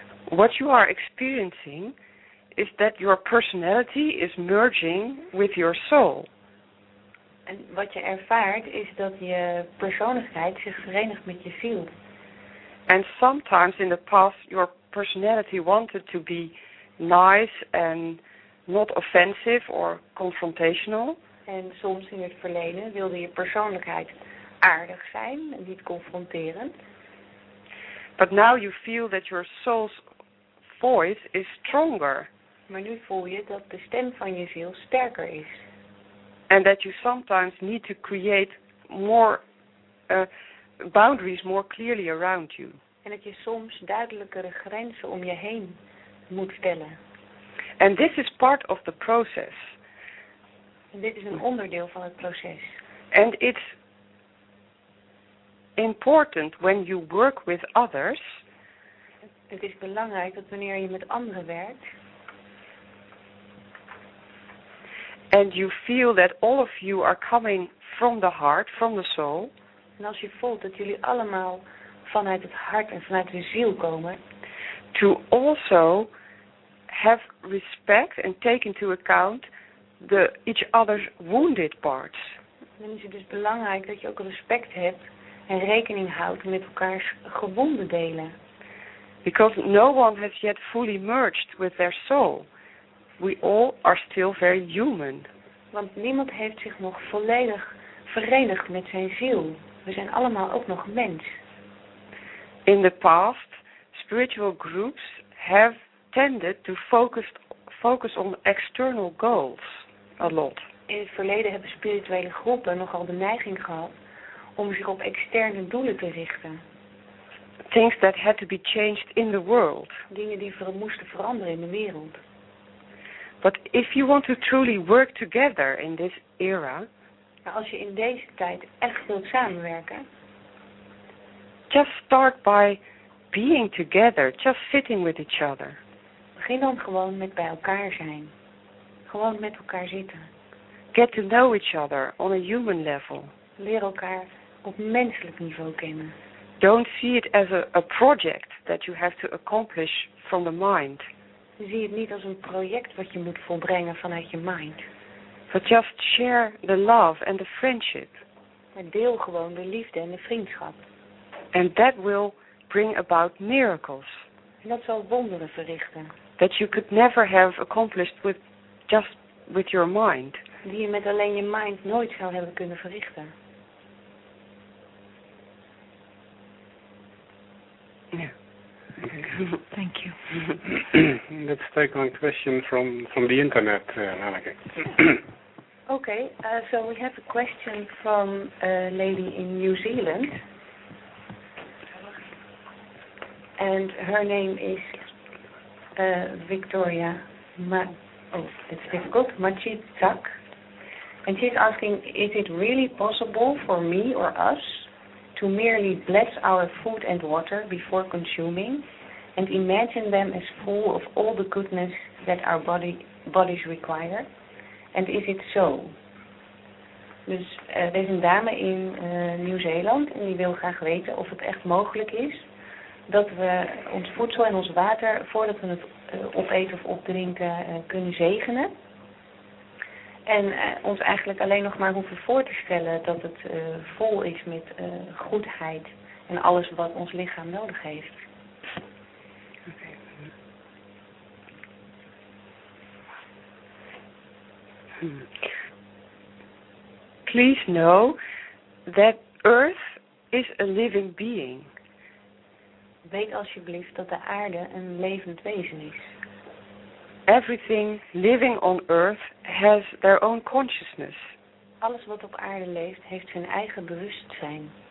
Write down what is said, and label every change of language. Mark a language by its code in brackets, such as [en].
[en] What you are experiencing is that your personality is merging with your soul. [nl] En wat je ervaart is dat je persoonlijkheid zich verenigt met je ziel. [en] And sometimes in the past your personality wanted to be nice and not offensive or confrontational. [nl] En soms in het verleden wilde je persoonlijkheid aardig zijn en niet confronterend. [en] But now you feel that your soul's voice is stronger. [nl] Maar nu voel je dat de stem van je ziel sterker is. [en] And that you sometimes need to create more boundaries more clearly around you. [nl] En dat je soms duidelijkere grenzen om je heen moet stellen. [en] And this is part of the process. [nl] En dit is een onderdeel van het proces. [en] And it's important when you work with others. [nl] Het is belangrijk dat wanneer je met anderen werkt. [en] And you feel that all of you are coming from the heart, from the soul. [nl] En als je voelt dat jullie allemaal vanuit het hart en vanuit de ziel komen. [en] To also have respect and take into account the each other's wounded parts. [nl] Dan is het dus belangrijk dat je ook respect hebt en rekening houdt met elkaars gewonde delen. [en] Because no one has yet fully merged with their soul. We all are still very human. [nl] Want niemand heeft zich nog volledig verenigd met zijn ziel. We zijn allemaal ook nog mens. [en] In the past, spiritual groups have tended to focus on external goals a lot. [nl] In het verleden hebben spirituele groepen nogal de neiging gehad om zich op externe doelen te richten. [en] Things that had to be changed in the world. [nl] Dingen die moesten veranderen in de wereld. [en] But if you want to truly work together in this era. [nl] Maar als je in deze tijd echt wilt samenwerken. [en] Just start by being together, just sitting with each other. [nl] Begin dan gewoon met bij elkaar zijn. Gewoon met elkaar zitten. [en] Get to know each other on a human level. [nl] Leer elkaar op menselijk niveau kennen. [en] Don't see it as a project that you have to accomplish from the mind. [nl] Zie het niet als een project wat je moet volbrengen vanuit je mind. [en] But just share the love and the friendship. [nl] Maar deel gewoon de liefde en de vriendschap. [en] And that will bring about miracles. [nl] En dat zal wonderen verrichten. [en] That you could never have accomplished with just with your mind. [nl] Die je met alleen je mind nooit zou hebben kunnen verrichten. [en] Thank you. Let's take one question from the internet, Anneke. Okay, so we have a question from a lady in New Zealand. And her name is Victoria Machitzak. And she's asking, is it really possible for me or us to merely bless our food and water before consuming and imagine them as full of all the goodness that our bodies require? And is it so? [nl] Dus er is een dame in Nieuw-Zeeland en die wil graag weten of het echt mogelijk is dat we ons voedsel en ons water, voordat we het opeten of opdrinken, kunnen zegenen. En ons eigenlijk alleen nog maar hoeven voor te stellen dat het vol is met goedheid en alles wat ons lichaam nodig heeft. [en] Please know that Earth is a living being. [nl] Weet alsjeblieft dat de aarde een levend wezen is. [en] Everything living on Earth has their own consciousness. [nl] Alles wat op aarde leeft heeft zijn eigen bewustzijn.